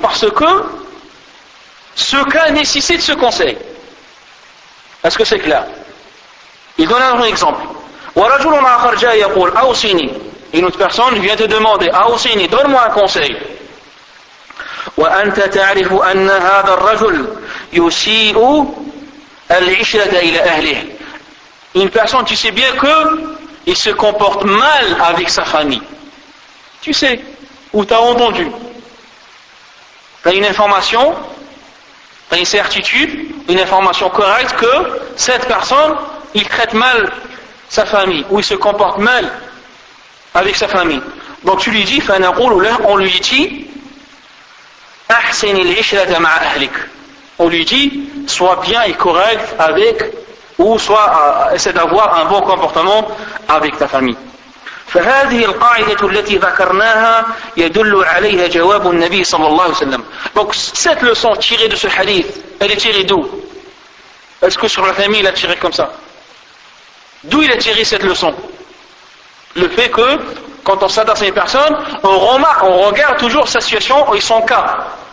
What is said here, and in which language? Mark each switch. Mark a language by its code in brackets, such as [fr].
[fr] Parce que ce cas nécessite ce conseil. Est-ce que c'est clair? Il donne un exemple. [ar] ورجل آخر جاء يقول أوصيني. [fr] Une autre personne vient te demander أوصيني, donne-moi un conseil. [ar] وأنت تعرف أن هذا الرجل يسيء العشرة إلى أهله. [fr] Une personne, tu sais bien que il se comporte mal avec sa famille. Tu sais ou t'as entendu. T'as une information, t'as une certitude, une information correcte que cette personne il traite mal sa famille ou il se comporte mal avec sa famille. Donc tu lui dis, on lui dit, [ar] أحسن العشرة مع أهلك. [fr] On lui dit, sois bien et correct avec ou soit essaie d'avoir un bon comportement avec ta famille. [ar] فهذه القاعدة التي ذكرناها يدل عليها جواب النبي صلى الله عليه وسلم. [fr] Donc cette leçon tirée de ce hadith, elle est tirée d'où? Est-ce que sur la famille il a tiré comme ça? D'où il a tiré cette leçon? Le fait que, quand on s'adresse à une personne, on remarque, on regarde toujours sa situation et son cas.